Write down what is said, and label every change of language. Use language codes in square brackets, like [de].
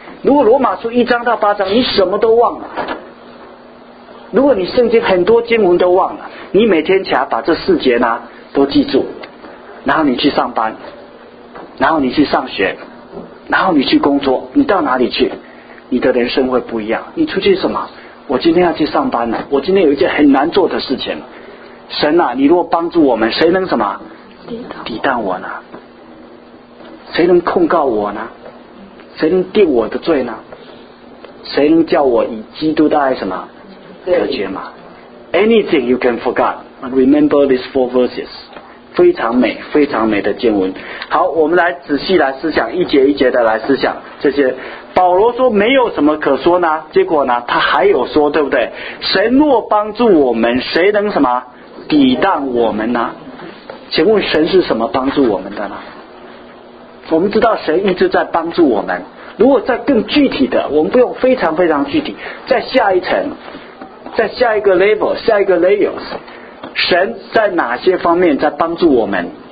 [zh] 如果罗马书一章到八章你什么都忘了，如果你圣经很多经文都忘了，你每天起来把这四节呢都记住，然后你去上班，然后你去上学，然后你去工作，你到哪里去你的人生会不一样。你出去什么？我今天要去上班了，我今天有一件很难做的事情，神啊，你若帮助我们，谁能什么抵挡我呢？谁能控告我呢？谁能定我的罪呢？谁能叫我以基督的爱什么隔绝吗？ [en] Anything you can forget, remember these four verses. [zh] 非常美，非常美的经文。好，我们来仔细来思想，一节一节的来思想这些。保罗说没有什么可说呢，结果呢他还有说，对不对？神若帮助我们，谁能什么抵挡我们呢？请问神是什么帮助我们的呢？我们知道神一直在帮助我们，如果再更具体的，我们不用非常非常具体，在下一层，在下一个 level, 下一个 layers, 神在哪些方面在帮助我们？